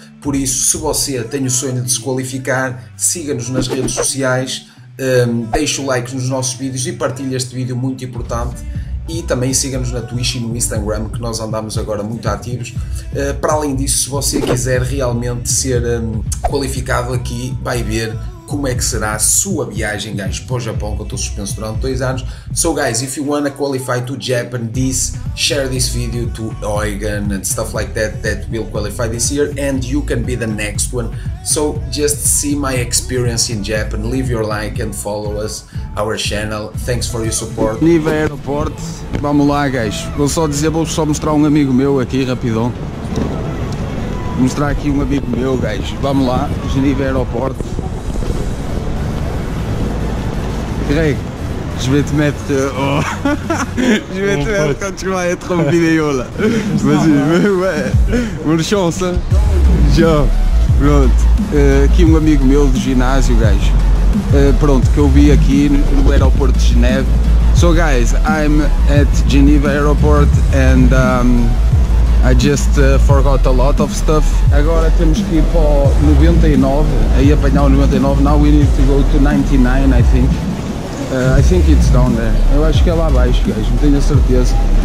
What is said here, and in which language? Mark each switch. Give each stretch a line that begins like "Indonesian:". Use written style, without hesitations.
Portuguese: Por isso, se você tem o sonho de se qualificar, siga-nos nas redes sociais, deixe o like nos nossos vídeos e partilhe este vídeo muito importante e também siga-nos na Twitch e no Instagram, que nós andamos agora muito ativos. Para além disso, se você quiser realmente ser qualificado aqui, vai ver como é que será a sua viagem, gajos, para o Japão, que eu estou suspenso durante 2 anos.
English: So, guys, if you wanna qualify to Japan, share this video to Eugen and stuff like that, that will qualify this year, and you can be the next one. So, just see my experience in Japan, leave your like and follow us, our channel. Thanks for your support.
Portuguese: Nível aeroporto, vamos lá, gajos. Vou só dizer, vou só mostrar um amigo meu aqui, rapidão. Vou mostrar aqui um amigo meu, gajos. Vamos lá, Geneve aeroporto.
French: Greg, je vais te mettre. Oh. Je vais te mettre quand tu vas être en vidéo là. Vas-y, ouais. Bonne chance, hein. Ciao. Pronto.
Portuguese: Aqui um amigo meu do ginásio, gajo. Pronto, que eu vi aqui no aeroporto de Geneve.
English: So, guys, I'm at Geneva Airport and I just forgot a lot of stuff.
Portuguese: Agora temos que ir para o 99. Aí apanhar o 99.
English: Now we need to go to 99, I think. I think it's down there.
Portuguese: Eu acho que é lá abaixo, gajo. Não tenho a certeza.